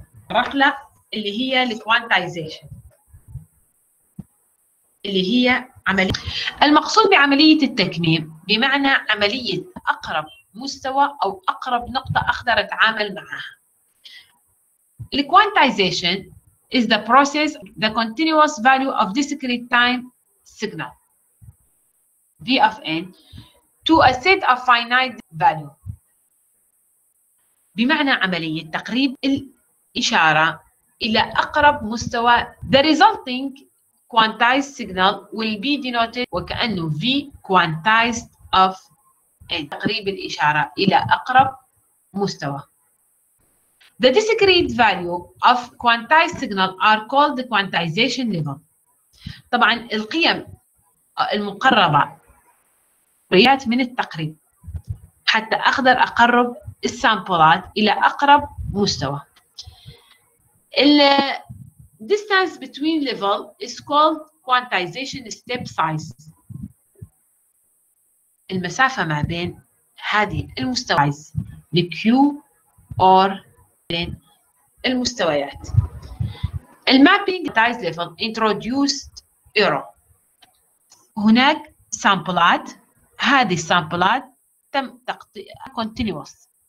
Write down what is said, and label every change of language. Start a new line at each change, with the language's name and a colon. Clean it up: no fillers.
Arabic: رحله اللي هي الكوانتايزيشن اللي هي عملية المقصود بعملية التكميم بمعنى عملية أقرب مستوى أو أقرب نقطة أقدر أتعامل معها. الكوانتايزيشن
English: is the process, the continuous value of discrete time signal, V of n, to a set of finite value.
Arabic: بمعنى عملية تقريب الإشارة إلى أقرب مستوى.
English: The resulting quantized signal will be denoted
Arabic: وكأنه
English: V quantized of n.
Arabic: تقريب الإشارة إلى أقرب مستوى.
English: The discrete value of quantized signal are called the quantization level.
Arabic: طبعا القيم المقربة قريبات من التقريب حتى أقدر أقرب السامبلات إلى أقرب مستوى.
English: The distance between level is called quantization step size.
Arabic: المسافة ما بين هذه المستوى
English: the Q or
Arabic: المستويات.
English: Mapping quantized level introduced error.
Arabic: هناك سامبلات, هذه السامبلات تم تقطيع continuous.